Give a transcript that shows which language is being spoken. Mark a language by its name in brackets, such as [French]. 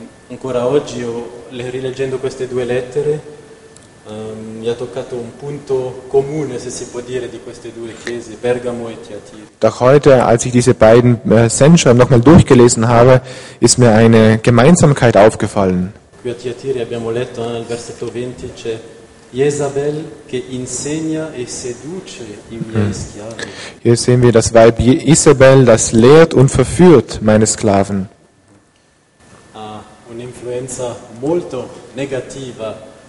[Italian] Ancora oggi, rileggendo queste due lettere, mi ha toccato un punto comune, se si può dire, di queste due chiese, Bergamo e Thyatira. [German] Doch heute, als ich diese beiden Sendschreiben nochmal durchgelesen habe, ist mir eine Gemeinsamkeit aufgefallen. [Italian] Qui a Thyatira abbiamo letto nel versetto 20 c'è Jezabel che insegna e seduce i miei schiavi. [German] Hier sehen wir das Weib Isabel, das lehrt und verführt meine Sklaven. [Italian] Ha un'influenza molto negativa.